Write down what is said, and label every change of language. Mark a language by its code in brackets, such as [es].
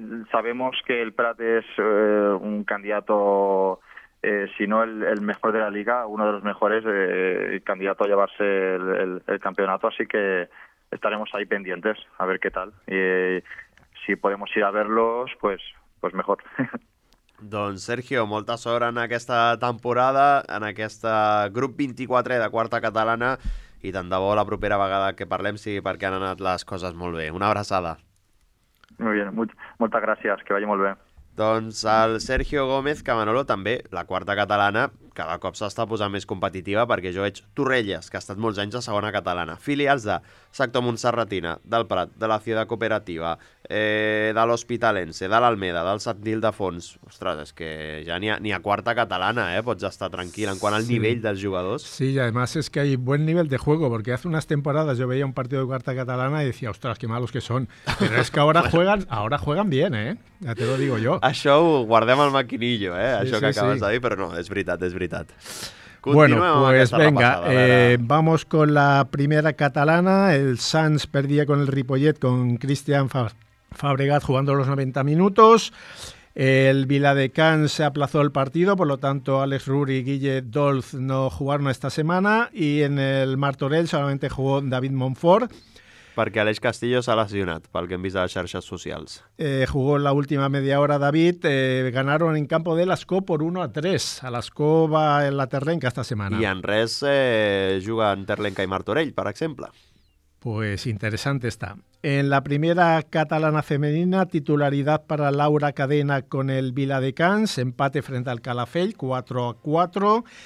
[es] Sabemos que el Prat es un candidato, si no el mejor de la Liga, uno de los mejores, candidato a llevarse el campeonato, así que estaremos ahí pendientes, a ver qué tal. Si podemos ir a verlos, pues mejor. [ca] Doncs, Sergio, molta sort en aquesta temporada, en aquest grup 24 de quarta catalana, i tant de bo la propera vegada que parlem sigui perquè han anat les coses molt bé. Una abraçada. [es] Muy bien, [ca] moltes gràcies, que vagi molt bé. Doncs el Sergio Gómez, que Manolo també, la quarta catalana, cada cop s'està posant més competitiva perquè jo veig Torrelles, que ha estat molts anys a segona catalana, filials de Sector Montserratina, del Prat, de la Ciutat Cooperativa, de l'Hospitalense, de l'Almeda, del Sabadell de Fons. Ostres, és que ja ni a quarta catalana pots estar tranquil en quant al nivell dels jugadors. [es] Sí, y además es que hay buen nivel de juego, porque hace unas temporadas yo veía un partido de quarta catalana y decía, ostras, qué malos que son. Pero es que ahora juegan bien, ya te lo digo yo. [ca] Això ho guardem al maquinillo, això que acabes de dir, però no, és veritat, és veritat. [es] Bueno, pues venga, vamos con la primera catalana. El Sants perdía con el Ripollet, con Cristian Fabregat jugando los 90 minutos. El Viladecans se aplazó el partido, por lo tanto Alex Ruri y Guille Dolz no jugaron esta semana. Y en el Martorell solamente jugó David Monfort. [ca] Perquè Aleix Castillo s'ha lesionat, pel que hem vist a les xarxes socials. [es] Jugó la última media hora David, ganaron en campo de l'Ascó por 1-3. A l'Ascó va en la Terlenca esta semana. [ca] I en res juguen Terlenca i Martorell, per exemple. [es] Pues interesante está. En la primera catalana femenina, titularidad para Laura Cadena con el Viladecans, empate frente al Calafell, 4-4.